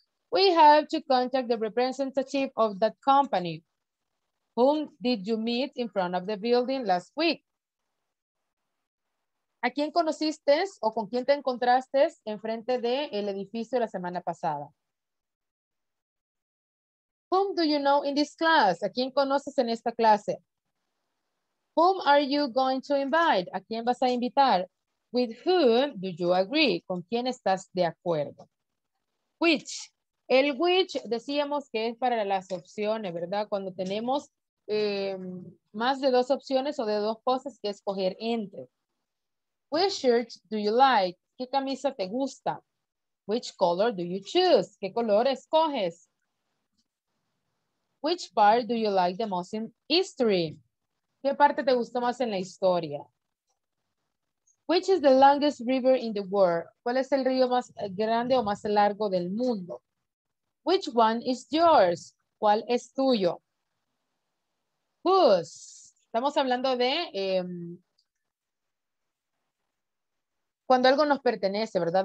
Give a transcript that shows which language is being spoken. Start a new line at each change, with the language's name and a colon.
English: We have to contact the representative of that company. Whom did you meet in front of the building last week?
Spanish: ¿A quién conociste o con quién te encontraste enfrente del edificio la semana pasada?
English: Whom do you know in this class?
Spanish: ¿A quién conoces en esta clase?
English: Whom are you going to invite?
Spanish: ¿A quién vas a invitar?
English: With whom do you agree?
Spanish: ¿Con quién estás de acuerdo? Which. El which decíamos que es para las opciones, ¿verdad? Cuando tenemos más de dos opciones o de dos cosas que escoger entre.
English: Which shirt do you like?
Spanish: ¿Qué camisa te gusta?
English: Which color do you choose?
Spanish: ¿Qué color escoges?
English: Which part do you like the most in history?
Spanish: ¿Qué parte te gustó más en la historia?
English: Which is the longest river in the world?
Spanish: ¿Cuál es el río más grande o más largo del mundo?
English: Which one is yours?
Spanish: ¿Cuál es tuyo? Whose? Estamos hablando de cuando algo nos pertenece, ¿verdad?